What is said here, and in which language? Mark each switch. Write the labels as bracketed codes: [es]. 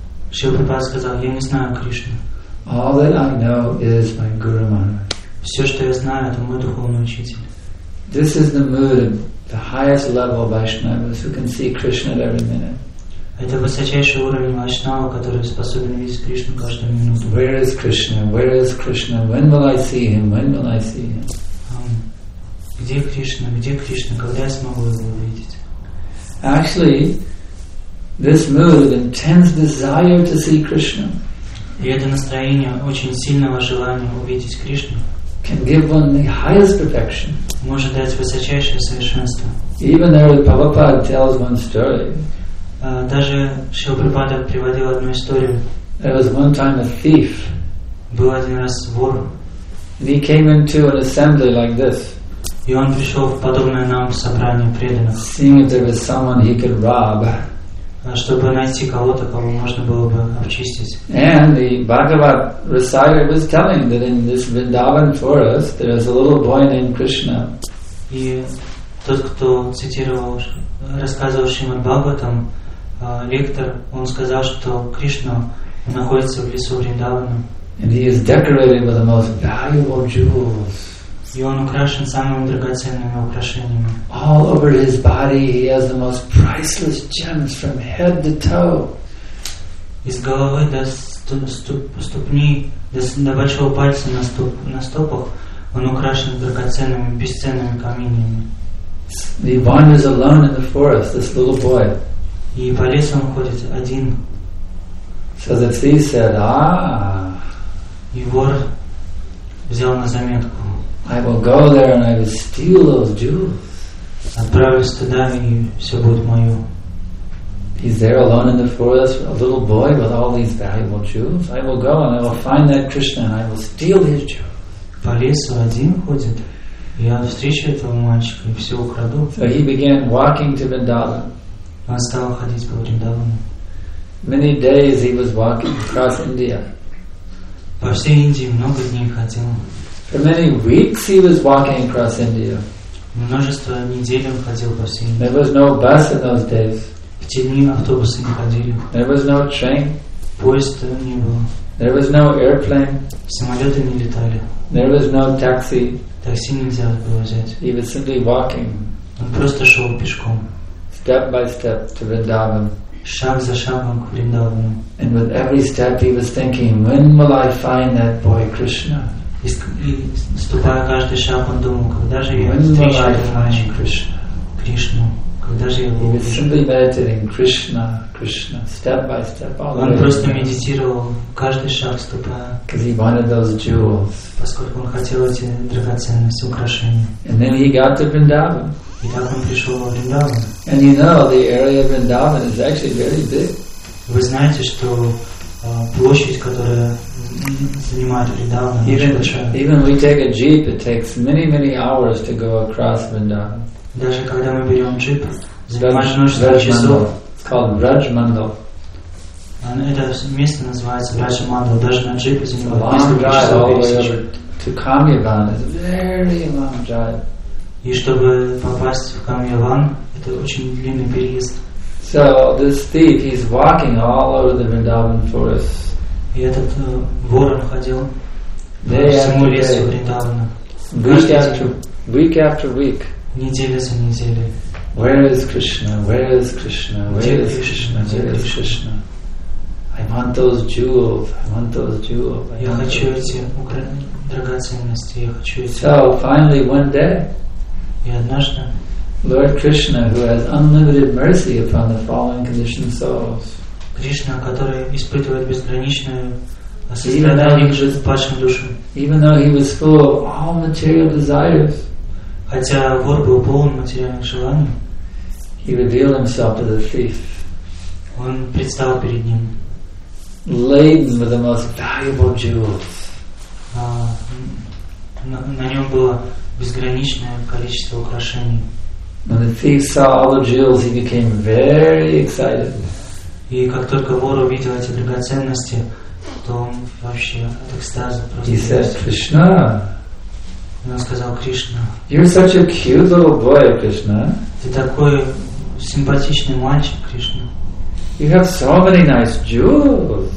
[ru] Шрила Прабхупада сказал, я не знаю Кришну. [en] All that I know is my Guru Maharaj. [ru] Все, что я знаю, это мой духовный учитель. [en] This is the mood of the highest level of Vaishnavas who can see Krishna at every minute. [ru] Это высочайший уровень вайшнава, который способен видеть Кришну каждую минуту. [en] Where is Krishna? Where is Krishna? When will I see him? When will I see him? [ru] Где Кришна? Где Кришна? Когда я смогу его увидеть? [en] Actually, this mood, intense desire to see Krishna, [ru] и это настроение очень сильного желания увидеть Кришну, [en] can give one the highest perfection. [ru] Может дать высочайшее совершенство. [en] Even though Prabhupada tells one story, [ru] даже Шрила Прабхупада приводил одну историю. [en] There was one time a thief. [ru] Был один раз вор. [en] And he came into an assembly like this. [ru] И он пришел в подобное нам собрание преданных. [en] Seeing if there was someone he could rob. [ru] Чтобы найти кого-то, кого можно было бы обчистить. [en] And the Bhagavad reciter was telling that in this Vrindavan forest there is a little boy named Krishna. [ru] И тот, кто цитировал, рассказывал Шримад Бхагаватам, лектор, он сказал, что Кришна находится в лесу Вриндавана. [en] And he is decorated with the most valuable jewels. [ru] И он украшен самыми драгоценными украшениями. [en] All over his body he has the most priceless gems from head to toe. [ru] Из головы до ступни, до большого пальца на стопах он украшен драгоценными, бесценными каменями. [en] He wanders alone in the forest, this little boy. [ru] И по лесу он ходит один. [en] So the thief said, ah. [ru] И вор взял на заметку. [en] I will go there and I will steal those jewels. [ru] Отправлюсь туда и все будет мое. [en] He's there alone in the forest, a little boy with all these valuable jewels. I will go and I will find that Krishna and I will steal his jewels. [ru] По лесу один ходит. Я встречу этого мальчика и все украду. [en] So he began walking to Vrindavan. [ru] Он стал ходить по Вриндавану. [en] Many days he was walking across India. [ru] По всей Индии много дней ходил. [en] For many weeks he was walking across India. [ru] Множество недель он ходил по всей Индии. [en] There was no bus in those days. [ru] В те дни автобусы не ходили. [en] There was no train. [ru] Поезда не было. [en] There was no airplane. [ru] Самолеты не летали. [en] There was no taxi. [ru] Такси нельзя было взять. [en] He was simply walking. [ru] Он просто шел пешком. [en] Step by step to Vrindavan. [ru] Шаг за шагом к Вриндавану. [en] And with every step he was thinking, when will I find that boy Krishna? [ru] И ступая каждый шаг, он думал, когда же я встречу этого мальчика? Кришну. Когда же я его увижу? [en] He was simply meditating Krishna, Krishna, step by step. [ru] Он просто медитировал каждый шаг, ступая. [en] Because he wanted those jewels. [ru] Поскольку он хотел эти драгоценные украшения. [en] And then he got to Vrindavan. [ru] И так он пришел во Вриндаван. [en] And you know, the area of Vrindavan is actually very big. [ru] Вы знаете, что площадь, которая занимает Вриндаван, очень большая. [en] Even we take a jeep, it takes many, many hours to go across Vrindavan. [ru] Даже когда мы берем джип, занимает множество часов. [en] It's called Braj Mandal. [ru] Это место называется Braj Mandal. Даже на джипе занимает несколько часов. [en] All the way to Kamyavan is a very long drive. [ru] И чтобы попасть в Камьяван, это очень длинный переезд. [en] So this thief, he's walking all over the Vrindavan forest. [ru] И этот вор ходил по всему лесу Вриндавана. [en] Week after week. [ru] Неделя за неделей. [en] Where is Krishna? Where is Krishna? Where is Krishna? Where is Krishna? I want those jewels. I want those jewels. [ru] Я хочу эти драгоценности. Я хочу эти. [en] So finally, one day. [ru] И однажды. [en] Lord Krishna, who has unlimited mercy upon the fallen conditioned souls. [ru] Кришна, который испытывает безграничную сострадание к падшим душам. [en] Even though he was full of all material desires. [ru] Хотя вор был полон материальных желаний. [en] He revealed himself to the thief. [ru] Он предстал перед ним. [en] Laden with the most valuable jewels. [ru] На нем было безграничное количество украшений. [en] When the thief saw all the jewels, he became very excited. [ru] И как только вор увидел эти драгоценности, то он вообще от экстаза просто. [en] He said, Krishna. [ru] И он сказал, Кришна. [en] You're such a cute little boy, Krishna. [ru] Ты такой симпатичный мальчик, Кришна. [en] You have so many nice jewels.